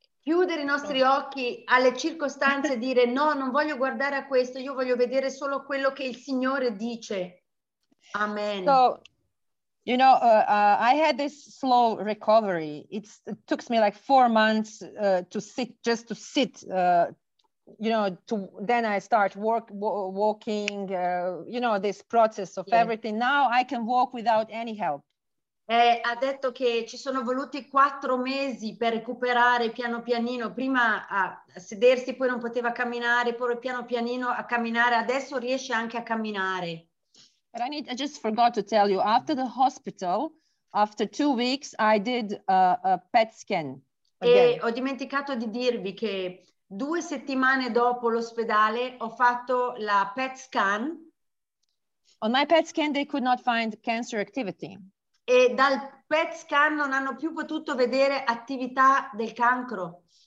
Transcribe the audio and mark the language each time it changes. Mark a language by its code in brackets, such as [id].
[it] Chiudere i nostri occhi alle circostanze e dire no, non voglio guardare a questo, io voglio vedere solo quello che il Signore dice. Amen. [en] So, you know, I had this slow recovery. It took me like 4 months to sit, you know, then I start walking, you know, this process of everything. Now I can walk without any help. [it] Ha detto che ci sono voluti 4 mesi per recuperare piano pianino, prima a sedersi, poi non poteva camminare, poi piano pianino a camminare, adesso riesce anche a camminare. [en] But I just forgot to tell you, after the hospital, after 2 weeks, I did a PET scan. [it] E ho dimenticato di dirvi che 2 settimane dopo l'ospedale ho fatto la PET scan. [en] On my PET scan they could not find cancer activity. [it] E dal PET scan non hanno più potuto vedere attività del cancro.